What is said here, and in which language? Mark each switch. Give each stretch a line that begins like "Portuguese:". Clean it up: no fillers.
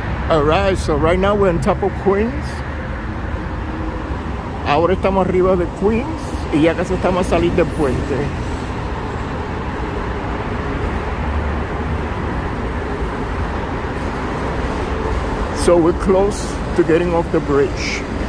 English: All right, so right now we're on top of Queens.
Spanish: Ahora estamos arriba de Queens y ya casi estamos a salir del puente.
English: So we're close to getting off the bridge.